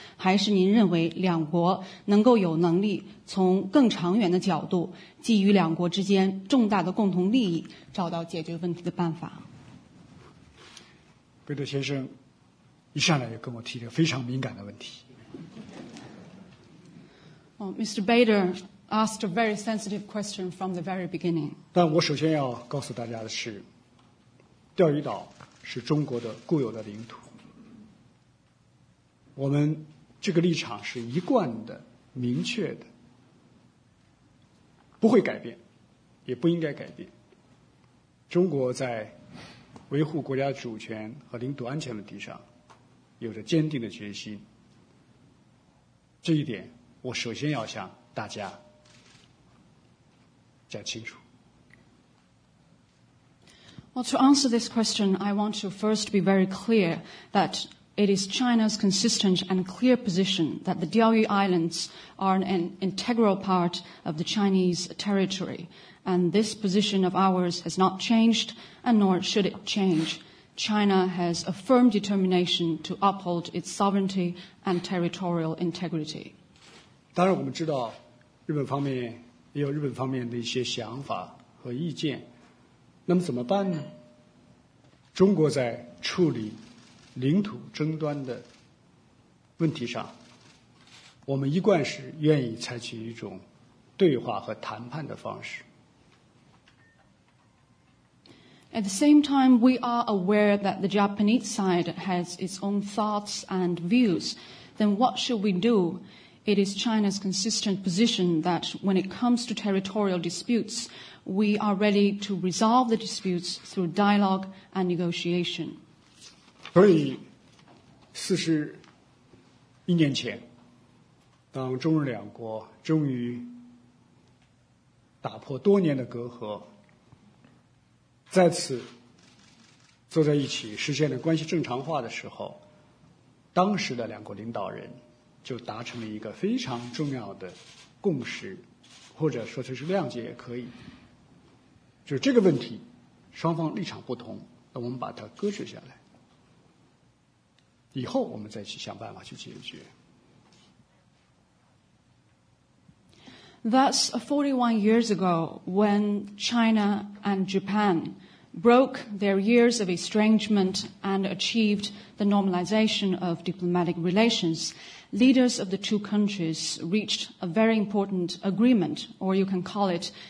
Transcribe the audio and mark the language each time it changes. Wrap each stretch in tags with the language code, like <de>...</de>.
<zh>还是您认为两国能够有能力从更长远的角度，基于两国之间重大的共同利益，找到解决问题的办法？贝德先生一上来就跟我提了非常敏感的问题。</zh> <en>Mr. Bader asked a very sensitive question from the very beginning.</en> <zh>但我首先要告诉大家的是，钓鱼岛是中国的固有的领土，我们这个立场是一贯的、明确的，不会改变，也不应该改变。中国在维护国家主权和领土安全问题上有着坚定的决心，这一点我首先要向大家讲清楚。</zh> <en>Well, to answer this question, I want to first be very clear that it is China's consistent and clear position that the Diaoyu Islands are an integral part of the Chinese territory. And this position of ours has not changed, and nor should it change. China has a firm determination to uphold its sovereignty and territorial integrity.</en> <zh>当然我们知道日本方面也有日本方面的一些想法和意见，那么怎么办呢？中国在处理领土争端的问题上，我们一贯是愿意采取一种对话和谈判的方式。</zh> <en>At the same time, we are aware that the Japanese side has its own thoughts and views. Then what should we do? It is China's consistent position that when it comes to territorial disputes,We are ready to resolve the disputes through dialogue and negotiation.</en> <zh>所以41年前，当中日两国终于打破多年的隔阂，再次坐在一起实现了关系正常化的时候，当时的两国领导人就达成了一个非常重要的共识，或者说这是谅解也可以。就这个问题，双方立场不同，那我们把它搁置下来，以后我们再去想办法去解决。</zh> <en>Thus, 41 years ago, when China and Japan broke their years of estrangement and achieved the normalization of diplomatic relations, leaders of the two countries reached a very important agreement, or you can call it.</en>